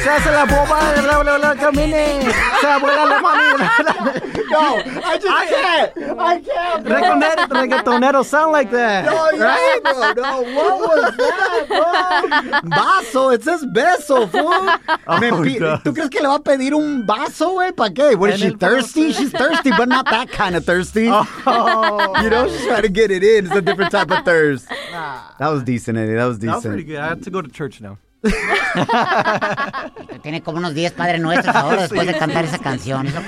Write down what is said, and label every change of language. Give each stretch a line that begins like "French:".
Spanish: Se hace la boba, la camine. Se abuela la mami.
English: No, I can't. Reggaetonero sound like that. No, what was that, bro? Vaso, it says beso, fool. Oh,
Spanish: ¿tú crees que le va a pedir un vaso, güey? ¿Para qué?
English: What, is she thirsty? Proceso. She's thirsty, but not that kind of thirsty. Oh. You know, she's trying to get it in. It's a different type of thirst. Nah. That was decent, Eddie. That was decent. That was pretty good. I have to go to church now.
Spanish: Tiene como unos 10 padres nuestros ahora después de cantar esa canción.